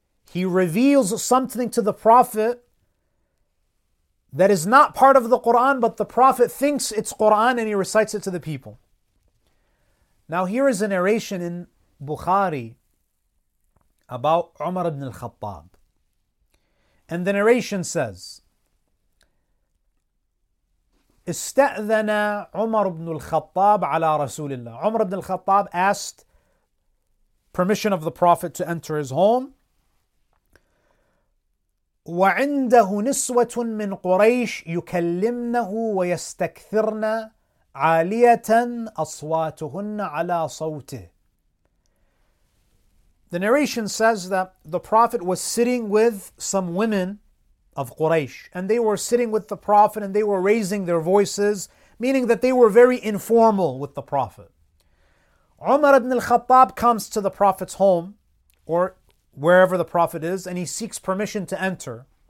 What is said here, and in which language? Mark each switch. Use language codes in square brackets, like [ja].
[en] He reveals something to the Prophet that is not part of the Quran, but the Prophet thinks it's Quran and he recites it to the people. Now here is a narration in Bukhari about Umar ibn al-Khattab. And the narration says, [ar] استأذن عمر بن الخطاب على رسول الله. [en] عمر بن الخطاب asked permission of the Prophet to enter his home. [ar] وعنده نسوة من قريش يكلمنه ويستكثرن عالية أصواتهن على صوته. [en] The narration says that the Prophet was sitting with some women of Quraysh, and they were sitting with the Prophet and they were raising their voices, meaning that they were very informal with the Prophet. Umar ibn al-Khattab comes to the Prophet's home or wherever the Prophet is, and he seeks permission to enter.